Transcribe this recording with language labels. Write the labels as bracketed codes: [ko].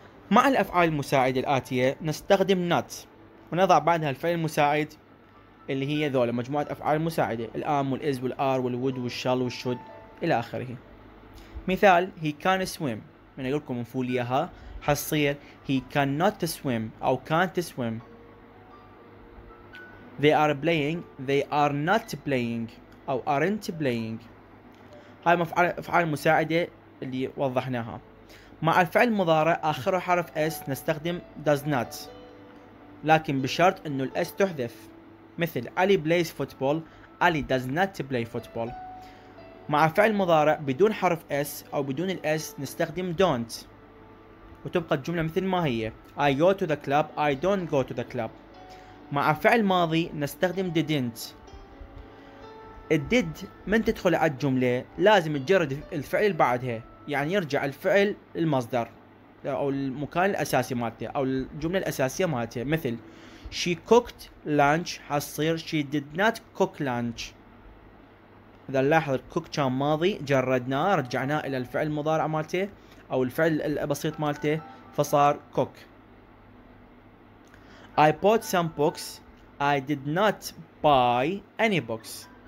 [ar] مع الأفعال المساعدة الآتية نستخدم not ونضع بعدها الفعل المساعد اللي هي ذولا مجموعة أفعال مساعدة الام والإز والآر والود والشال والشود إلى آخره. مثال [en] he can swim. [ar] من أقول لكم نفول إياها حصير [en] he cannot swim [ar] أو [en] can't swim. they are playing they are not playing [ar] أو [en] aren't playing. [ar] هاي مفعال مساعدة اللي وضحناها. مع الفعل المضارع آخر حرف S نستخدم does not لكن بشرط أنه الS تحذف. مثل [en] Ali plays football Ali does not play football. [ar] مع فعل مضارع بدون حرف S أو بدون الS نستخدم don't وتبقى الجملة مثل ما هي [en] I go to the club I don't go to the club. [ar] مع فعل ماضي نستخدم didn't. did من تدخل على الجملة لازم تجرد الفعل اللي بعدها يعني يرجع الفعل للمصدر أو المكان الأساسي مالته أو الجملة الأساسية مالته. مثل [en] She cooked lunch [ar] حصير [en] she did not cook lunch. [ar] إذا نلاحظ cook كان ماضي جردناه رجعناه إلى الفعل المضارع مالته أو الفعل البسيط مالته فصار cook. [en] I bought some books. I did not buy any books.